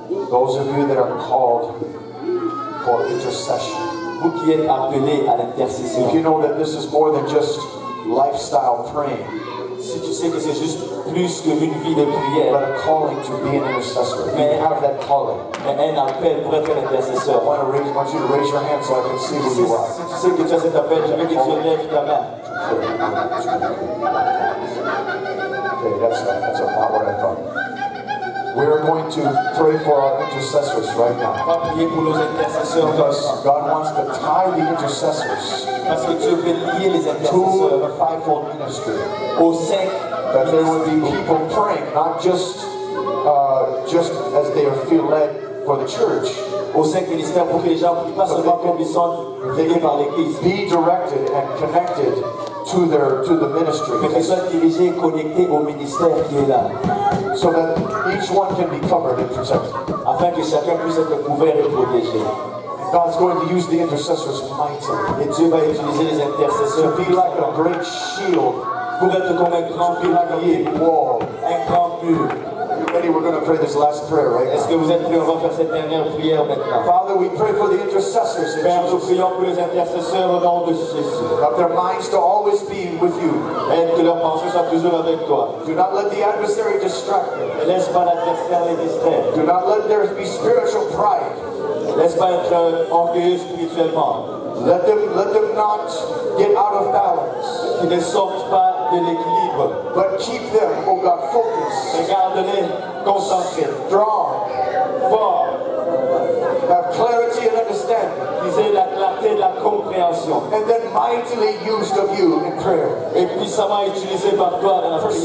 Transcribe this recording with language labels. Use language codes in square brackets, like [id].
[en] Those of you that are called for intercession. [fr] Vous qui êtes appelés à l'intercession. [en] If you know that this is more than just lifestyle praying. [fr] Si tu sais que c'est juste plus qu'une vie de prière, [en] but a calling to be an intercessor. [fr] Mais, [en] you have that calling. [fr] Un appel pour être un intercesseur. [en] I want you to raise your hand so I can see who you are. [fr] Si tu sais que tu as cet appel, je veux que tu lèves ta main. [en] Okay, that's not what I thought. We are going to pray for our intercessors right now. [fr] Va prier pour nos intercesseurs. [en] Because God wants to tie the intercessors. [fr] Parce que Dieu veut lier les [en] intercesseurs. To the fivefold ministry. [fr] Au sein. [en] That there will be people praying, not just as they feel led for the church. [fr] Au sein du ministère pour que les gens prient, pas seulement comme ils sont guidés par l'église. [en] Be directed and connected to the ministry. [fr] Mais qu'ils soient dirigés et connectés au ministère qui est là. [en] So that each one can be covered and protected. [fr] Afin que chacun puisse être couvert et protégé. [en] God's going to use the intercessors mightily. [fr] Et Dieu va utiliser les intercesseurs. [en] To be like a great shield. [fr] Pour être comme un grand pilier. [en] Wall. [fr] Un grand mur. [en] Ready, we're going to pray this last prayer right now. [fr] Est-ce que vous êtes prêts? On va faire cette dernière prière maintenant. [en] Father, we pray for the intercessors. [fr] Père, nous prions pour les intercesseurs au nom de Jésus. [en] That their minds to always be with you. [fr] Et que leurs pensées soient toujours avec toi. [en] Do not let the adversary distract them. [fr] Et laisse pas l'adversaire les distraire. [en] Do not let there be spiritual pride. [fr] Laisse pas être orgueilleux spirituellement. [en] Let them not get out of balance. [fr] Ne sortent pas de l'équilibre. [en] But keep them, oh God, focused. [fr] Et garde-les concentrés. [en] Strong. [fr] Fort. [en] Have clarity and understanding. [fr] Ils aient la clarté de la compréhension. [en] And then mightily used of you in prayer. [fr] Et puissamment utilisé par toi dans la prière.